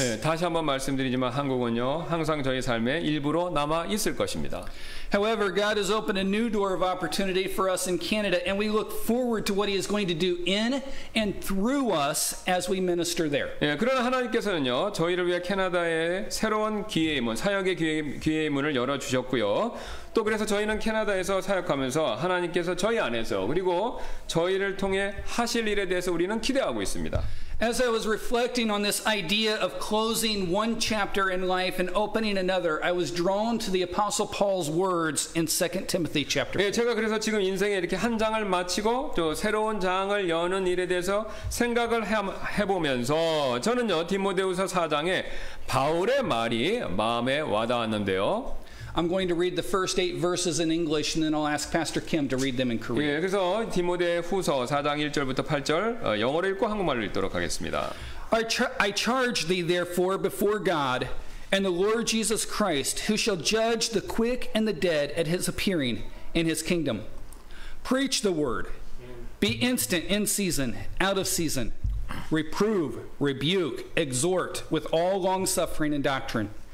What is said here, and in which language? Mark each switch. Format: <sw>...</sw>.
<ko>예, 다시 한번 말씀드리지만 한국은요 항상 저희 삶의 일부로 남아 있을 것입니다.</ko> <en>However, God has opened a new door of opportunity for us in Canada, and we look forward to what He is going to do in and through us as we minister there.</en> <ko>예, 그러나 하나님께서는요 저희를 위해 캐나다에 새로운 기회의 문, 사역의 기회의 문을 열어 주셨고요. 또 그래서 저희는 캐나다에서 사역하면서 하나님께서 저희 안에서 그리고 저희를 통해 하실 일에 대해서 우리는 기대하고 있습니다.</ko> <en>As I was reflecting on this idea of closing one chapter in life and opening another, I was drawn to the Apostle Paul's words in 2 Timothy chapter</en> <ko>4. 예, 제가 그래서 지금 인생에 이렇게 한 장을 마치고 또 새로운 장을 여는 일에 대해서 생각을 해보면서 저는요 디모데후서 4장에 바울의 말이 마음에 와닿았는데요.</ko> <en>I'm going to read the first 8 verses in English and then I'll ask Pastor Kim to read them in Korean.</en> <ko>예, 그래서 디모데후서 4장 1절부터 8절 영어로 읽고 한국말로 읽도록 하겠습니다.</ko> <en>I charge thee therefore before God and the Lord Jesus Christ, who shall judge the quick and the dead at his appearing in his kingdom. Preach the word. Be instant in season, out of season. Reprove, rebuke, exhort with all long suffering and doctrine.</en>